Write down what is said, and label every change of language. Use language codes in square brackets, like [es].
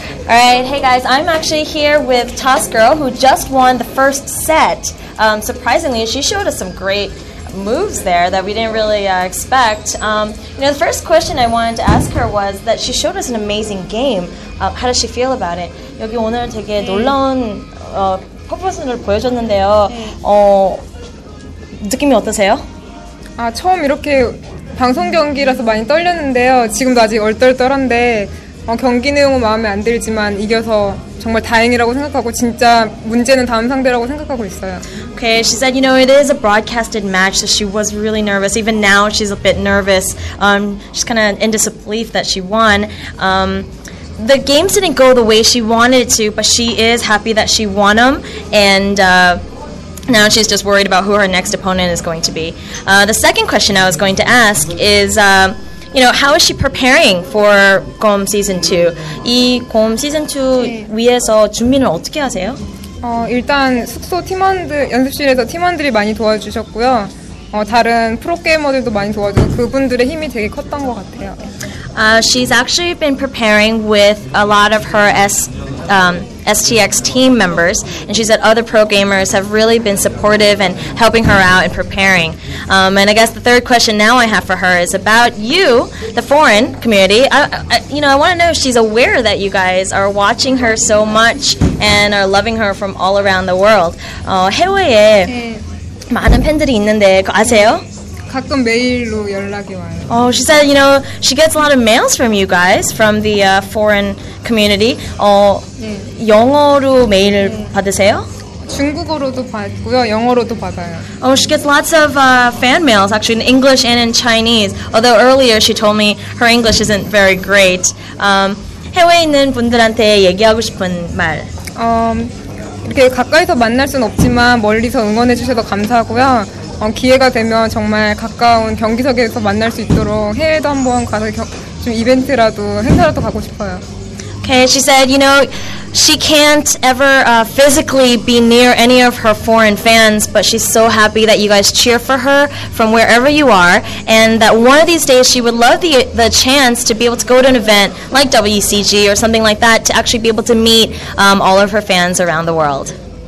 [en] All right, hey guys, I'm actually here with ToSsGirL, who just won the first set. Surprisingly, she showed us some great moves there that we didn't really expect. You know, the first question I wanted to ask her was that she showed us an amazing game. How does she feel about it? [ko] 여기 오늘 되게 놀라운 퍼포먼스를 보여줬는데요. 느낌이 어떠세요? 아, 처음 이렇게 방송 경기라서 많이 떨렸는데요. 지금도 아직 얼떨떨한데 경기 내용은 마음에 안 들지만 이겨서 정말 다행이라고 생각하고 진짜 문제는 다음 상대라고 생각하고 있어요. [en] Okay, she said, you know, it is a broadcasted match, so she was really nervous. Even now, she's a bit nervous. She's kind of in disbelief that she won. The games didn't go the way she wanted it to, but she is happy that she won them. And now she's just worried about who her next opponent is going to be. The second question I was going to ask is, you know, how is she preparing for GomCAM Season 2? [ko] 이 GomCAM Season 2 위해서 준비는 어떻게 하세요? 일단 숙소 팀원들, 연습실에서 팀원들이 많이 도와주셨고요. 다른 프로게이머들도 많이 도와주고 그분들의 힘이 되게 컸던 것 같아요. [en] She's actually been preparing with a lot of her STX team members, and she said other programmers have really been supportive and helping her out and preparing. And I guess the third question now I have for her is about you, the foreign community. I want to know if she's aware that you guys are watching her so much and are loving her from all around the world. [ko] 해외에 많은 팬들이 있는데 아세요? 가끔 메일로 연락이 와요. [en] She said, you know, she gets a lot of mails from you guys, from the foreign community. [ko] 영어로 메일 받으세요? 중국어로도 받고요, 영어로도 받아요. [en] Oh, she gets lots of fan mails, actually, in English and in Chinese. Although earlier she told me her English isn't very great. [ko] 해외에 있는 분들한테 얘기하고 싶은 말? 이렇게 가까이서 만날 순 없지만 멀리서 응원해 주셔서 감사하고요. 기회가 되면 정말 가까운 경기석에서 만날 수 있도록 해외도 한번 가서 좀 이벤트라도 행사라도 가고 싶어요. [en] Okay, she said, you know, she can't ever physically be near any of her foreign fans, but she's so happy that you guys cheer for her from wherever you are, and that one of these days she would love the chance to be able to go to an event like WCG or something like that to actually be able to meet all of her fans around the world.